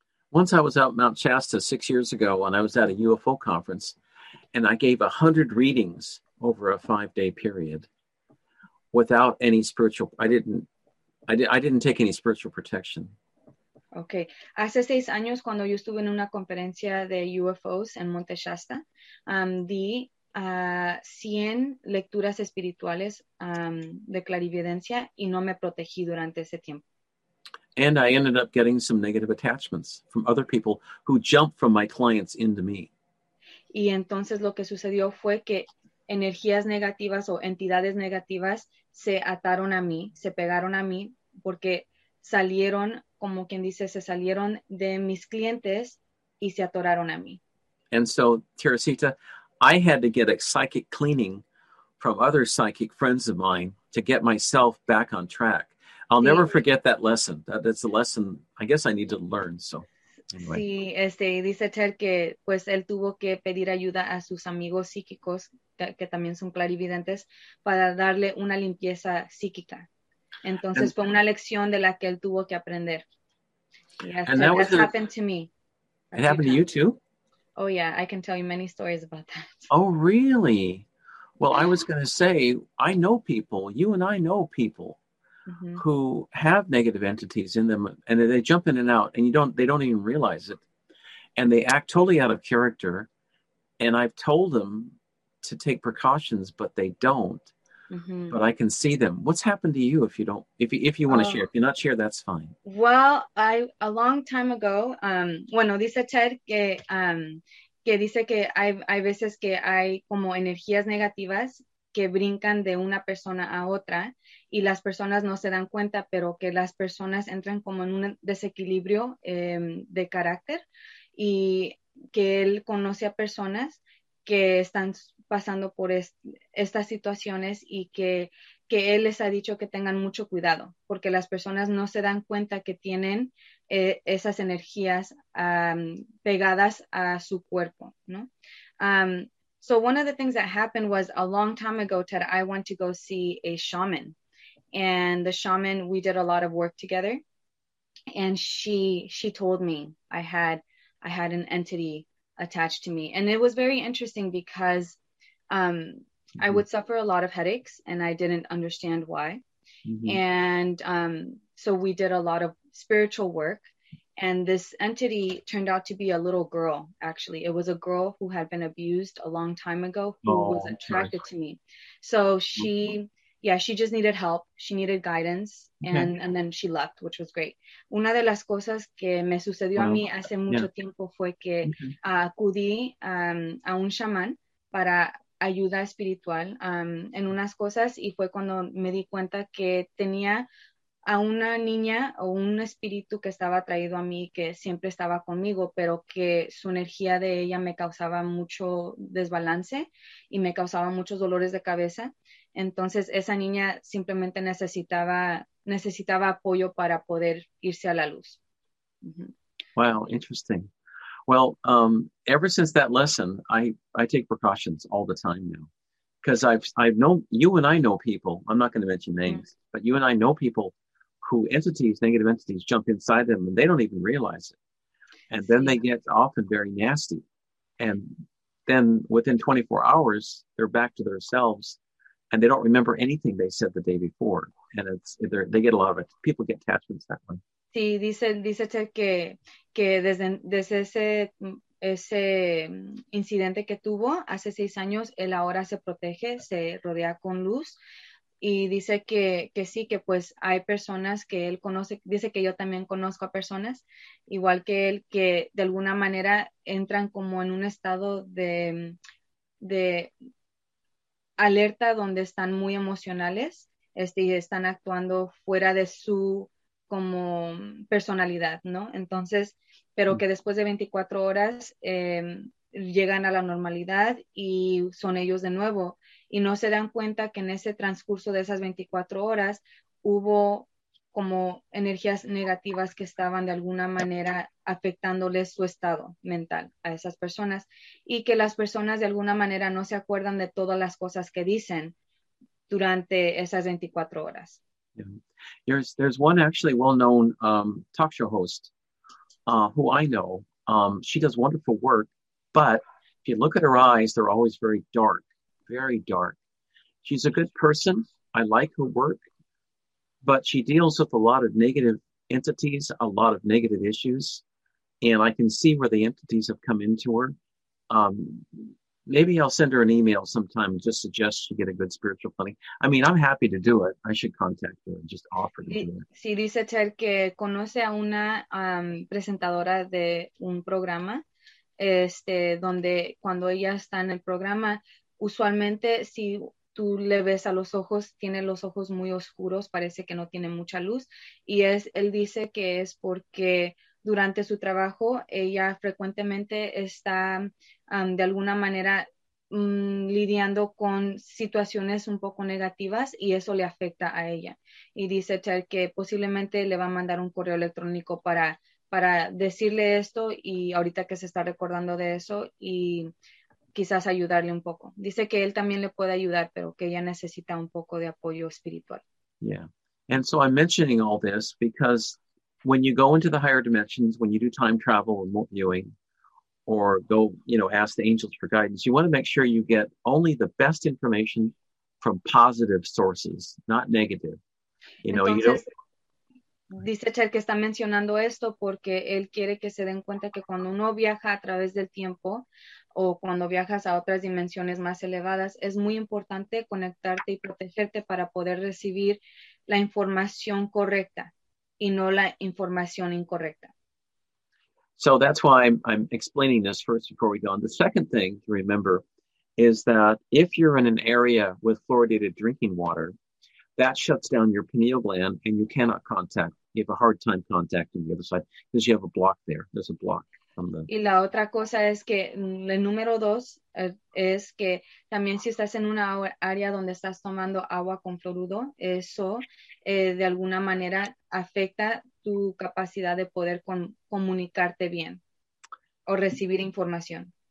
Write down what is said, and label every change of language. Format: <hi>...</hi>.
<en>Once I was out in Mount Shasta 6 years ago, and I was at a UFO conference, and I gave 100 readings over a 5-day period without any spiritual, I didn't take any spiritual protection. Okay.</en> <es>Hace 6 años, cuando yo estuve en una conferencia de UFOs en Monte Shasta, di 100 lecturas espirituales de clarividencia y no me protegí durante ese tiempo.</es> <en>And I ended up getting some negative attachments from other people who jumped from my clients into me.</en> <es>Y entonces lo que sucedió fue que energías negativas o entidades negativas se ataron a mí, se pegaron a mí, porque salieron, como quien dice, se salieron de mis clientes y se atoraron a mí.</es> <en>And so, Teresita, I had to get a psychic cleaning from other psychic friends of mine to get myself back on track. I'll never forget that lesson. That's a lesson I guess I need to learn. So, anyway.</en> <es>Sí, dice Ter que pues él tuvo que pedir ayuda a sus amigos psíquicos que también son clarividentes para darle una limpieza psíquica. Entonces fue una lección de la que él tuvo que aprender.</es> <en>And that was happened to me. It happened to you too? Oh yeah, I can tell you many stories about that. Oh really? Well, I was going to say, I know people, you and I know people. Mm-hmm. Who have negative entities in them, and they jump in and out, and they don't even realize it, and they act totally out of character, and I've told them to take precautions, but they don't. Mm-hmm. But I can see them. What's happened to you? If you want to share, if you're not sure, that's fine. Well, a long time ago,</en> <es>dice Ted que dice que hay veces que hay como energías negativas que brincan de una persona a otra y las personas no se dan cuenta, pero que las personas entran como en un desequilibrio de carácter, y que él conoce a personas que están pasando por estas situaciones y que él les ha dicho que tengan mucho cuidado, porque las personas no se dan cuenta que tienen esas energías pegadas a su cuerpo, ¿no?</es> <en>So one of the things that happened was a long time ago, Ted, I went to go see a shaman, and the shaman, we did a lot of work together, and she told me I had an entity attached to me. And it was very interesting because mm-hmm. I would suffer a lot of headaches and I didn't understand why. Mm-hmm. And so we did a lot of spiritual work. And this entity turned out to be a little girl, actually. It was a girl who had been abused a long time ago who was attracted to me. So she just needed help. She needed guidance. And okay. And then she left, which was great.</en> <es>Una de las cosas que me sucedió a mí hace mucho tiempo fue que acudí a un chamán para ayuda espiritual en unas cosas. Y fue cuando me di cuenta que tenía a una niña o un espíritu que estaba traído a mí, que siempre estaba conmigo, pero que su energía de ella me causaba mucho desbalance y me causaba muchos dolores de cabeza. Entonces, esa niña simplemente necesitaba apoyo para poder irse a la luz.</es> <en>Mm-hmm. Wow, interesting. Well, ever since that lesson, I take precautions all the time now. Because I've known, you and I know people, I'm not going to mention names, mm-hmm. but you and I know people who entities, negative entities, jump inside them and they don't even realize it. And then they get often very nasty. And then within 24 hours, they're back to themselves and they don't remember anything they said the day before. And they get a lot of it. People get attachments that way.</en> <es>Sí, dice que desde ese incidente que tuvo hace 6 años, él ahora se protege, se rodea con luz. Y dice que sí, que pues hay personas que él conoce, dice que yo también conozco a personas, igual que él, que de alguna manera entran como en un estado de alerta donde están muy emocionales, y están actuando fuera de su como personalidad, ¿no? Entonces, pero que después de 24 horas llegan a la normalidad y son ellos de nuevo. Y no se dan cuenta que en ese transcurso de esas 24 horas hubo como energías negativas que estaban de alguna manera afectándoles su estado mental a esas personas. Y que las personas de alguna manera no se acuerdan de todas las cosas que dicen durante esas 24 horas.</es> <en>Yeah. There's one actually well-known talk show host who I know. She does wonderful work, but if you look at her eyes, they're always very dark. Very dark. She's a good person. I like her work, but she deals with a lot of negative entities, a lot of negative issues, and I can see where the entities have come into her. Maybe I'll send her an email sometime and just suggest she get a good spiritual planning. I mean, I'm happy to do it. I should contact her and just offer to do it.</en> <es>Sí, dice Ted que conoce a una presentadora de un programa, donde cuando ella está en el programa. Usualmente, si tú le ves a los ojos, tiene los ojos muy oscuros, parece que no tiene mucha luz. Y él dice que es porque durante su trabajo, ella frecuentemente está de alguna manera lidiando con situaciones un poco negativas y eso le afecta a ella. Y dice Cher que posiblemente le va a mandar un correo electrónico para decirle esto y ahorita que se está recordando de eso y quizás ayudarle un poco. Dice que él también le puede ayudar, pero que ella necesita un poco de apoyo espiritual.</es> <en>Yeah. And so I'm mentioning all this because when you go into the higher dimensions, when you do time travel, remote viewing, or go, you know, ask the angels for guidance, you want to make sure you get only the best information from positive sources, not negative. You know,</en> <es>entonces,</es> <en>you don't...</en> <es>Dice Cher que está mencionando esto porque él quiere que se den cuenta que cuando uno viaja a través del tiempo o cuando viajas a otras dimensiones más elevadas, es muy importante conectarte y protegerte para poder recibir la información correcta y no la información incorrecta.</es> <en>So that's why I'm explaining this first before we go on. The second thing to remember is that if you're in an area with fluoridated drinking water, that shuts down your pineal gland and you cannot contact. You have a hard time contacting the other side because you have a block there. There's a block from the...</en> <es>Y la otra cosa es que el número dos es que también si estás en una área donde estás tomando agua con fluoruro, eso de alguna manera afecta tu capacidad de poder comunicarte bien o recibir información.</es>